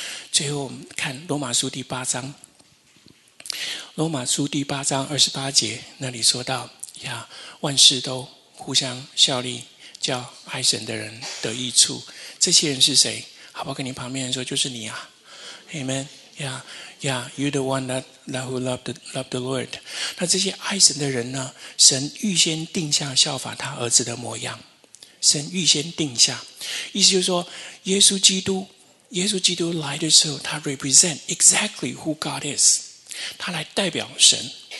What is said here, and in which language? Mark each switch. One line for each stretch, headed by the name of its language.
Chinese: 最后我们看罗马书第八章，罗马书第八章二十八节，那里说到呀，万事都互相效力，叫爱神的人得益处。这些人是谁？好不好跟你旁边人说，就是你啊。 Amen。
English: You're the one that who loved the Lord。
Chinese: 那这些爱神的人呢，神预先定下效法他儿子的模样。神预先定下，意思就是说，耶稣基督来的时候，他
English: represent exactly who God is，
Chinese: 他来代表神。